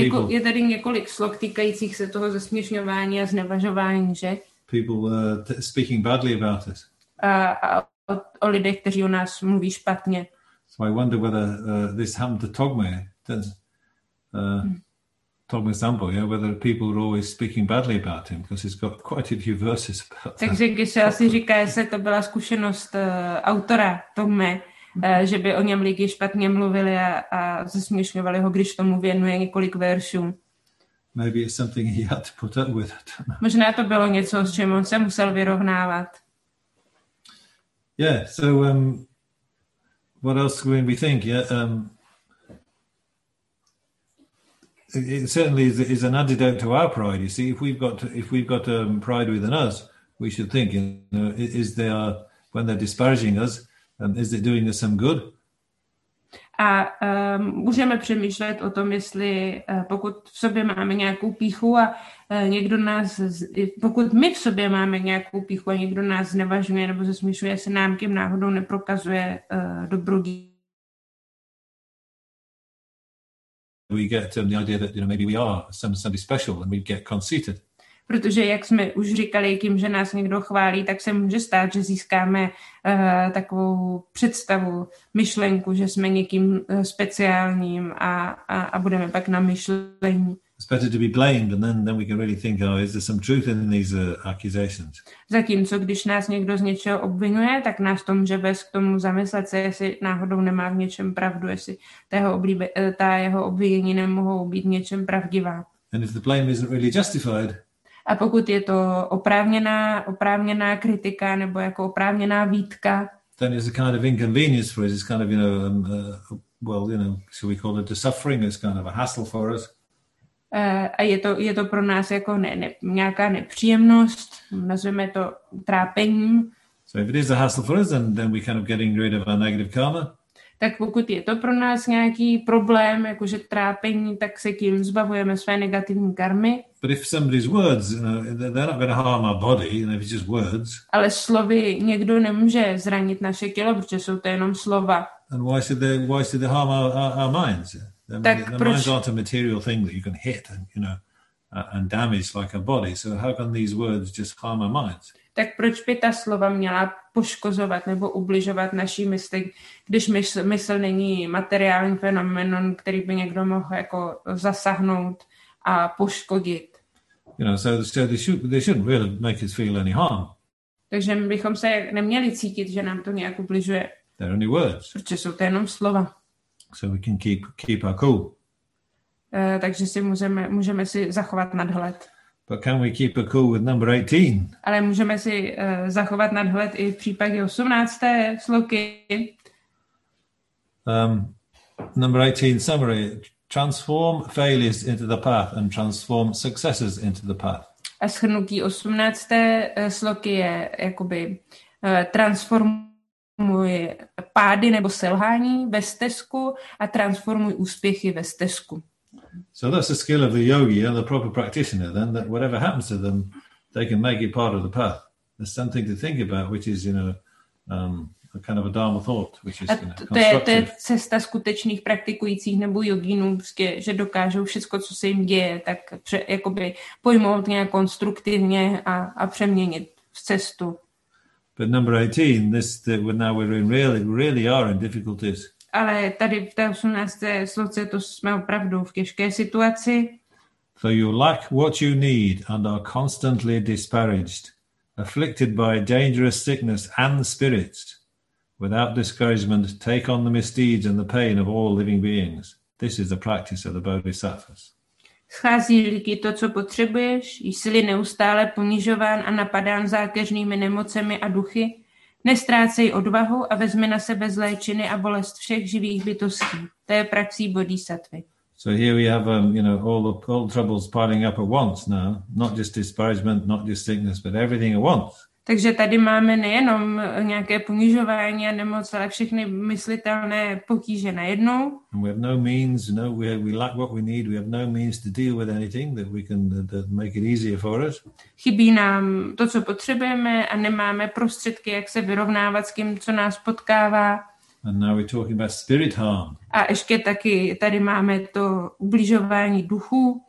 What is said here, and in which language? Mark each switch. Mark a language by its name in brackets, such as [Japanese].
[Czech] Je tady několik slov týkajících se toho zesměšňování a znevažování, že? [English] People were speaking badly about us. [Czech] O lidech, kteří o nás mluví špatně. [English] So I wonder whether this happened to Togme, Togme Sambo, yeah, whether people were always speaking badly about him, because he's got quite a few verses about that. [Czech] Takže když se asi říká, jestli to byla zkušenost autora Togme, že by o něm lidi špatně mluvili a zesměšňovali ho, když tomu věnuje několik veršů. [English] Maybe it's something he had to put up with. [Czech] Možná to bylo něco, s čím on se musel vyrovnávat. [English] Yeah, so what else can we think? Yeah, it certainly is an antidote to our pride. You see, if we've got pride within us, we should think, you know, is there, when they're disparaging us, is it doing us some good? [Czech] A můžeme přemýšlet o tom, jestli pokud v sobě máme nějakou píchu a někdo nás, pokud my v sobě máme nějakou píchu a někdo nás znevažuje nebo zesměšuje, se nám tím náhodou neprokazuje dobro. [English] We get the idea that, you know, maybe we are somebody special and we get conceited. [Czech] Protože jak jsme už říkali, tím, že nás někdo chválí, tak se může stát, že získáme takovou představu, myšlenku, že jsme někým speciálním a budeme pak na myšlení. [English] It's better to be blamed and then we can really think, oh, is there some truth in these accusations? [Czech] Zatímco když nás někdo z něčeho obvinuje, tak nás to může vést k tomu zamyslet se, jestli náhodou nemá v něčem pravdu, jestli ta jeho obvinění nemohou být něčem pravdivá. [English] And if the blame isn't really justified, [Czech] a pokud je to oprávněná kritika nebo jako oprávněná výtka, [English] then it's a kind of inconvenience for us. It's kind of, you know, well, you know, should we call it a suffering? It's kind of a hassle for us. [Czech] A je to pro nás jako nějaká nepříjemnost. Nazveme to trápením. [English] So if it is a hassle for us, then we're kind of getting rid of our negative karma. [Czech] Tak pokud je to pro nás nějaký problém, jakože trápení, tak se tím zbavujeme své negativní karmy. [English] But if somebody's words, you know, they're not going to harm our body, you know, if it's just words. [Czech] Ale slovy někdo nemůže zranit naše tělo, protože jsou to jenom slova. [English] And why should they harm our minds? Minds aren't a material thing that you can hit and, you know, and damage like a body. So how can these words just harm our minds? [Czech] Tak proč by ta slova měla poškozovat nebo ubližovat naší mysli, když mysl není materiální fenomén, který by někdo mohl jako zasáhnout a poškodit. [English] You know, so they shouldn't really make us feel any harm. [Czech] Takže bychom se neměli cítit, že nám to nějak ubližuje. [English] They're only words. [Czech] Protože jsou to jenom slova. [English] So we can keep our cool. [Czech] Takže si můžeme si zachovat nadhled. [English] But can we keep a cool with number 18? [Czech] Ale můžeme si zachovat nadhled i v případě 18. sloky. [English] Number 18 summary: transform failures into the path and transform successes into the path. [Czech] A shrnutí 18. sloky je jakoby transformuj pády nebo selhání ve stezku a transformuj úspěchy ve stezku. [English] So that's the skill of the yogi, the proper practitioner, then, that whatever happens to them, they can make it part of the path. There's something to think about, which is, you know, a kind of a dharma thought, which is, you know, constructive. [Czech] To je cesta skutečných praktikujících nebo jogínů, že dokážou všechno, co se jim děje, tak jakoby pojmout nějak konstruktivně a přeměnit v cestu. [English] But number 18, we really are in difficulties. [Czech] Ale tady v té 18. sloce to jsme opravdu v těžké situaci. [English] For you lack what you need and are constantly disparaged, afflicted by dangerous sickness and spirits. Without discouragement, take on the misdeeds and the pain of all living beings. This is the practice of the Bodhisattvas. [Czech] Schází lidi to, co potřebuješ, jsi neustále ponižován a napadán zákeřnými nemocemi a duchy. Nestrácej odvahu a vezmi na sebe zlé činy a bolest všech živých bytostí. To je praxí bodhisattvy. [English] So here we have all troubles piling up at once now. Not just disparagement, not just sickness, but everything at once. [Czech] Takže tady máme nejenom nějaké ponižování a nemoc, ale všechny myslitelné potíže najednou. [English] And we have no means, no, we lack what we need. We have no means to deal with anything that we can that make it easier for us. [Czech] Chybí nám to, co potřebujeme, a nemáme prostředky, jak se vyrovnávat s tím, co nás potkává. [English] And now we're talking about spirit harm. [Czech] A ještě taky tady máme to ubližování duchu.